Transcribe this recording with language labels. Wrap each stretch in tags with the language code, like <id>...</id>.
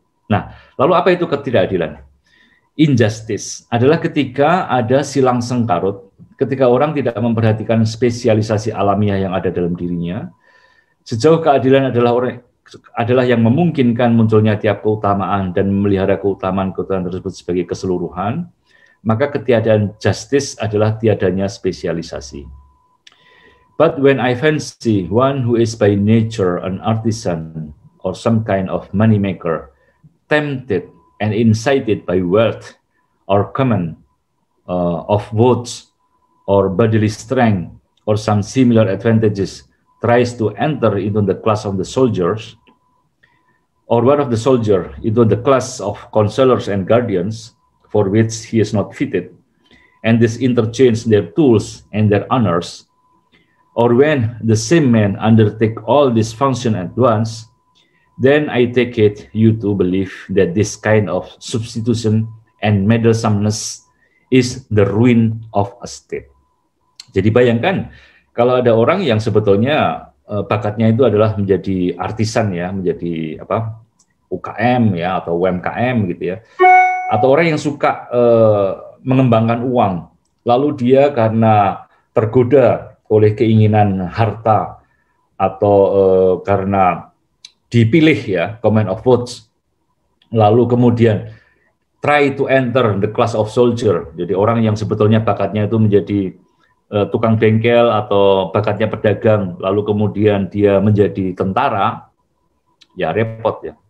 <id>Nah, lalu apa itu ketidakadilan? Injustice adalah ketika ada silang sengkarut, ketika orang tidak memperhatikan spesialisasi alamiah yang ada dalam dirinya. Sejauh keadilan adalah adalah yang memungkinkan munculnya tiap keutamaan dan memelihara keutamaan-keutamaan tersebut sebagai keseluruhan, maka ketiadaan justice adalah tiadanya spesialisasi.</id> <en>But when I fancy one who is by nature an artisan or some kind of money maker, tempted and incited by wealth or common of votes or bodily strength or some similar advantages, tries to enter into the class of the soldiers or one of the soldiers into the class of counselors and guardians for which he is not fitted, and this interchange their tools and their honors, or when the same man undertake all this function at once, then I take it you two believe that this kind of substitution and meddlesomeness is the ruin of a state.</en> <id>Jadi bayangkan kalau ada orang yang sebetulnya bakatnya itu adalah menjadi artisan ya, menjadi apa UKM ya atau UMKM gitu ya, atau orang yang suka mengembangkan uang, lalu dia karena tergoda oleh keinginan harta atau karena dipilih ya</id> <en>command of votes,</en> <id>lalu kemudian</id> <en>try to enter the class of soldier,</en> <id>jadi orang yang sebetulnya bakatnya itu menjadi tukang bengkel atau bakatnya pedagang, lalu kemudian dia menjadi tentara, ya repot ya.</id>